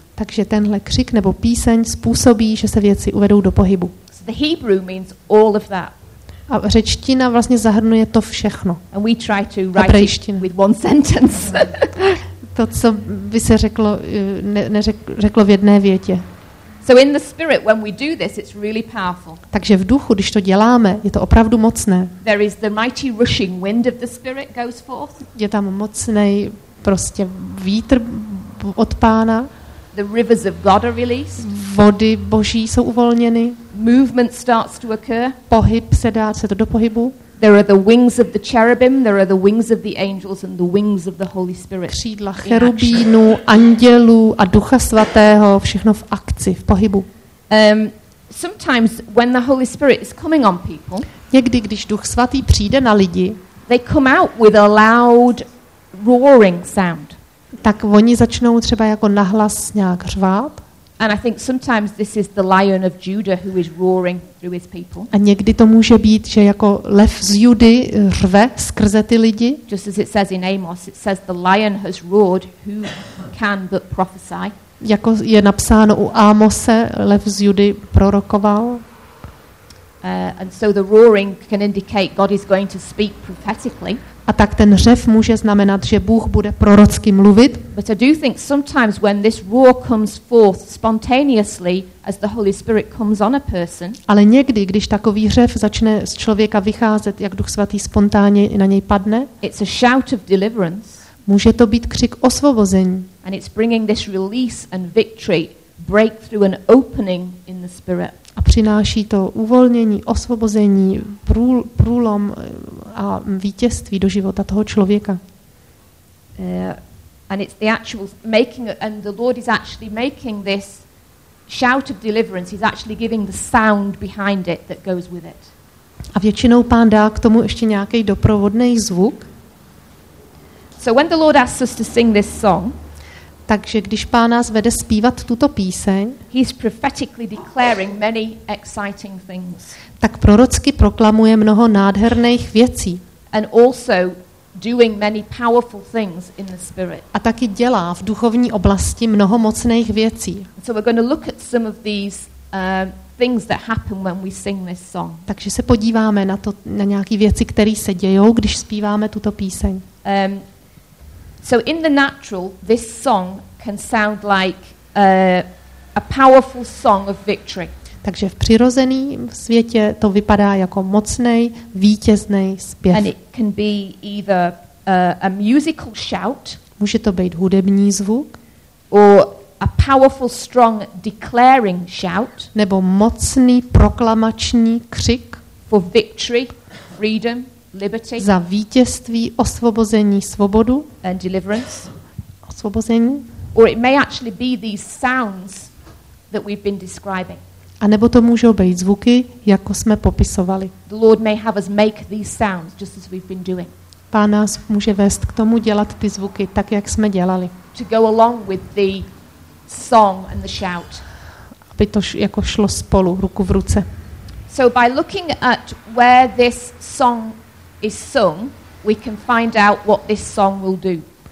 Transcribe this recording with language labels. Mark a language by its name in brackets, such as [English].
[Czech] Takže tenhle křik nebo píseň způsobí, že se věci uvedou do pohybu. [English] So the Hebrew means all of that. [Czech] A řečtina vlastně zahrnuje to všechno. [English] And we try to write it with one sentence. [Czech] To, co by se řeklo, řeklo v jedné větě. [English] So in the spirit, when we do this, it's really powerful. [Czech] Takže v duchu, když to děláme, je to opravdu mocné. [English] There is the mighty rushing wind of the spirit goes forth. [Czech] Je tam mocný prostě vítr od Pána. [English] The rivers of God are released. [Czech] Vody Boží jsou uvolněny. [English] Movement starts to occur. [Czech] Pohyb se dá, se to do pohybu. [English] There are the wings of the cherubim, there are the wings of the angels and the wings of the Holy Spirit. [Czech] Křídla cherubínů, andělů a Ducha svatého, všechno v akci, v pohybu. [English] Sometimes when the Holy Spirit is coming on people, [Czech] někdy když Duch svatý přijde na lidi, [English] they come out with a loud roaring sound. [Czech] Tak oni začnou třeba jako nahlas nějak řvát. [English] And I think sometimes this is the lion of Judah who is roaring through his people. [Czech] A někdy to může být, že jako lev z Judy řve skrze ty lidi. [English] Just as it says in Amos, it says the lion has roared, who can but prophesy? [Czech] Jako je napsáno u Amose, lev z Judy prorokoval. [English] And so the roaring can indicate God is going to speak prophetically. [Czech] A tak ten řev může znamenat, že Bůh bude prorocky mluvit. [English] But I do think sometimes when this roar comes forth spontaneously as the Holy Spirit comes on a person. [Czech] Ale někdy, když takový řev začne z člověka vycházet, jak Duch svatý spontánně i na něj padne, [English] it's a shout of deliverance. [Czech] Může to být křik osvobození. [English] And it's bringing this release and victory, breakthrough and opening in the spirit. [Czech] A přináší to uvolnění, osvobození, průlom a vítězství do života toho člověka. [English] And it's the actual making and the Lord is actually making this shout of deliverance. He's actually giving the sound behind it that goes with it. [Czech] A většinou Pán dá k tomu ještě nějaký doprovodný zvuk. [English] So when the Lord asks us to sing this song, [Czech] takže když Pán nás vede zpívat tuto píseň, [English] he's prophetically declaring many exciting things. [Czech] Tak prorocky proklamuje mnoho nádherných věcí. [English] And also doing many powerful things in the spirit. [Czech] A taky dělá v duchovní oblasti mnoho mocných věcí. [English] So we're going to look at some of these things that happen when we sing this song. [Czech] Takže se podíváme na to, na nějaký věci, které se dějou, když zpíváme tuto píseň. [English] So in the natural, this song can sound like a powerful song of victory. [Czech] Takže v přirozeném světě to vypadá jako mocný, vítězný zpěv. [English] And it can be either a musical shout. [Czech] Může to být hudební zvuk. [English] Or a powerful, strong declaring shout. [Czech] Nebo mocný proklamační křik. [English] For victory, freedom. Liberty. [Czech] Za vítězství, osvobození, svobodu. [English] And deliverance. [Czech] Osvobození. [English] Or it may actually be these sounds that we've been describing. [Czech] A nebo to můžou být zvuky, jako jsme popisovali. [English] The Lord may have us make these sounds just as we've been doing. [Czech] Pán nás může vést k tomu dělat ty zvuky tak, jak jsme dělali. [English] To go along with the song and the shout. [Czech] Aby to jako šlo spolu, ruku v ruce. [English] So by looking at where this song is sung, we can find out what this song will do.